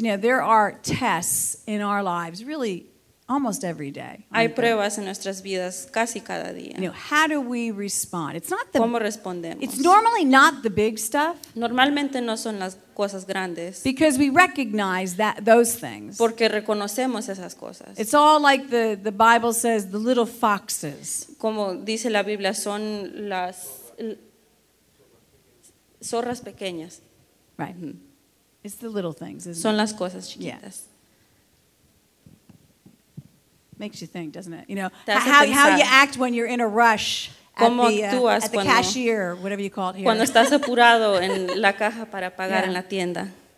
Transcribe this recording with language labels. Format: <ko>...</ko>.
<en>You know, there are tests in our lives, really almost every day.</en> <es>Hay pruebas en nuestras vidas casi cada día.</es> <en>You know, how do we respond? It's not the,</en> <es>¿cómo respondemos?</es> <en>It's normally not the big stuff.</en> <es>Normalmente no son las cosas grandes.</es> <en>Because we recognize that those things.</en> <es>Porque reconocemos esas cosas.</es> <en>It's all like the Bible says, the little foxes.</en> <es>Como dice la Biblia, son las zorras pequeñas.</es> <en>Right. Mm-hmm. It's the little things, isn't</en> <es>son</es> <en>it?</en> <es>Las cosas chiquitas.</es> <en>Yeah. Makes you think, doesn't it? You know, how you act when you're in a rush at the cashier, whatever you call it here.</en> <es>Cuando estás apurado en la caja para pagar en la tienda.</es>